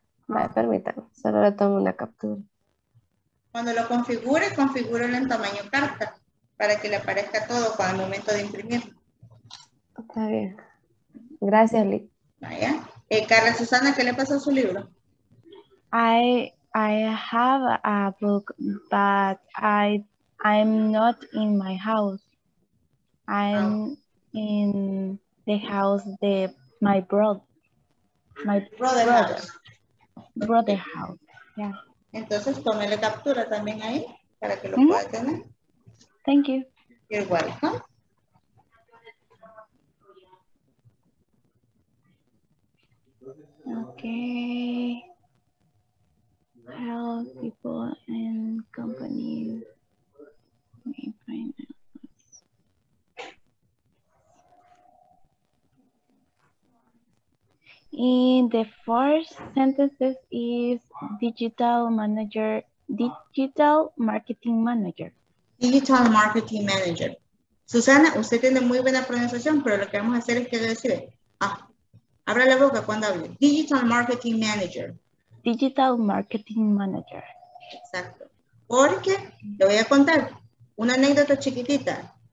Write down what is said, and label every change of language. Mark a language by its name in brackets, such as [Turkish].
[Spanish] Vale, permítanme, solo le tomo una captura. Cuando lo configure, configúrelo en tamaño carta para que le aparezca todo al momento de imprimir. Está bien. Gracias, Lee. Vaya. Carla Susana, ¿qué le pasó a su libro? [English] I have a book, but I'm not in my house. I'm in the house de my brother house. Yeah. [Spanish] Entonces tómele captura también ahí para que lo mm-hmm. pueda tener. [English] Thank you. You're welcome. Okay. Help people and companies. In the first sentences is digital marketing manager. Digital marketing manager. [Spanish] Susana, usted tiene muy buena pronunciación, pero lo que vamos a hacer es que le decide. Abra la boca cuando hable. [English] Digital Marketing Manager. Digital Marketing Manager. [Spanish] Exacto. Porque, le voy a contar una anécdota chiquitita.